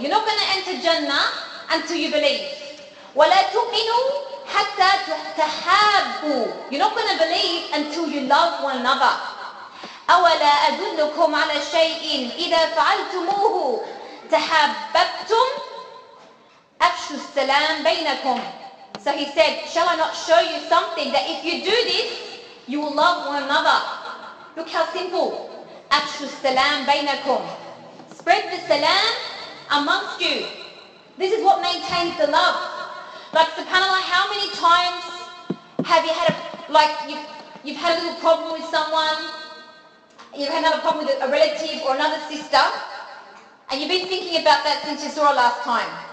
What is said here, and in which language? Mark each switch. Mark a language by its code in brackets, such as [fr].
[en] You're not going to enter Jannah until you believe. [ar] ولا تؤمنوا حتى تحابوا. [en] You're not going to believe until you love one another. [ar] أولا أدلكم على شيء إذا فعلتموه تحاببتم أفشوا السلام بينكم. [en] So he said, shall I not show you something that if you do this, you will love one another? Look how simple. [ar] أَفْشُ السَّلَامْ بَيْنَكُمْ. [en] Spread the salam amongst you. This is what maintains the love. Like, subhanAllah, how many times have you had you've had a little problem with someone, you've had another problem with a relative or another sister, and you've been thinking about that since you saw her last time.